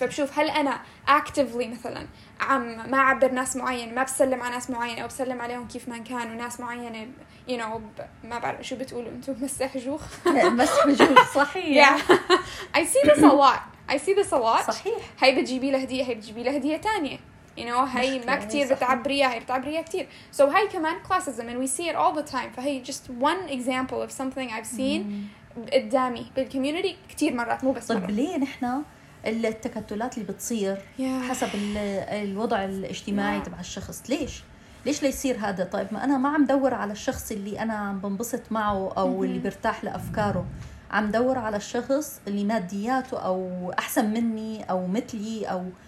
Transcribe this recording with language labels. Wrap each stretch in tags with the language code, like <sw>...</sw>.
<ar>فبشوف هل انا actively مثلا عم ما عبر ناس معين، ما بسلم على ناس معين او بسلم عليهم كيف ما كان، وناس معينه</ar> <en>you know</en> <ar>ما بعرف شو بتقولوا انتم، مسح جوخ مسح جوخ صحيح</ar> <en>I see this a lot. I see this a lot.</en> <ar>صحيح. هاي بتجيبي له هدية، هاي بتجيبي له هدية تانية.</ar> <en>You know,</en> <ar>هاي ما كتير بتعبريها، هاي بتعبريها كتير.</ar> <en>So</en> <ar>هاي كمان</ar> <en>classism and we see it all the time.</en> <ar>فهي</ar> <en>just one example of something I've seen</en> <ar>قدامي بالcommunity كتير مرات، مو بس مرة. طب ليه نحنا التكتلات اللي بتصير حسب الوضع الاجتماعي تبع الشخص، ليش؟ ليش ليصير هذا؟ طيب ما أنا ما عم دور على الشخص اللي أنا عم بنبسط معه أو اللي برتاح لأفكاره، عم دور على الشخص اللي مادياته أو أحسن مني أو مثلي، أو</ar>